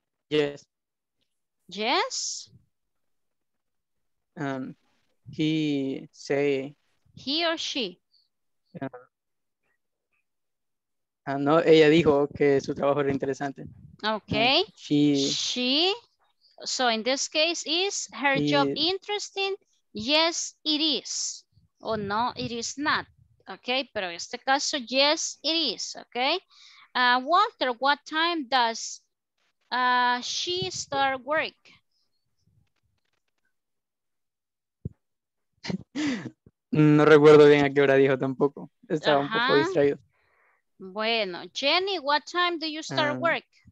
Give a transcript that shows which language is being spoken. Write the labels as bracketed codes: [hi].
[en] Yes. Yes? He say... He or she? [es] No, ella dijo que su trabajo era interesante. [en] Okay. She... So in this case, is her job interesting? Yes, it is. Or oh, no, it is not. [es] Okay, pero en este caso, [en] yes, it is. Okay. Walter, what time does she start work? [es] No recuerdo bien a qué hora dijo tampoco. Estaba uh-huh. un poco distraído. [en] Bueno, Jenny, what time do you start work?